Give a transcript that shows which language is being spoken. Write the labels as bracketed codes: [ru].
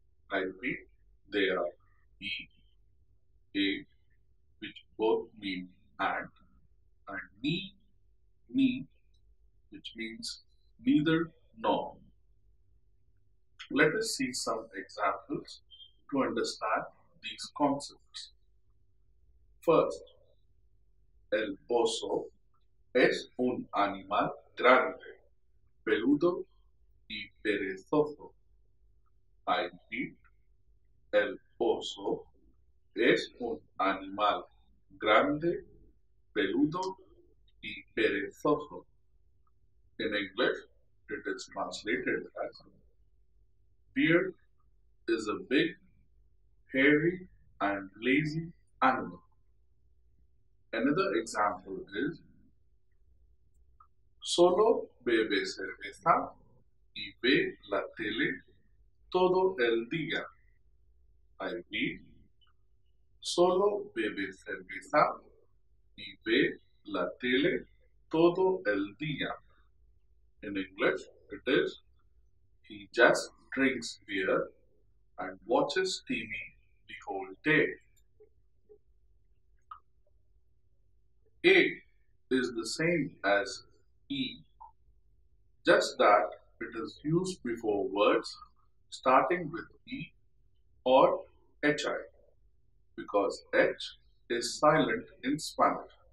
[en] I repeat, they are E, A, which both mean and ni, ni, which means neither nor. Let us see some examples to understand these concepts. First, [es] el oso es un animal grande, peludo y perezoso. [en] I repeat, [es] el oso es un animal grande, peludo y perezoso. [en] In English, it is translated as, bear is a big, hairy and lazy animal. Another example is, [es] solo bebe cerveza y ve la tele todo el día. [en] I repeat, [es] solo bebe cerveza y ve la tele todo el día. [en] In English, it is, he just drinks beer and watches TV the whole day. A is the same as E, just that it is used before words starting with E or HI, because H is silent in Spanish.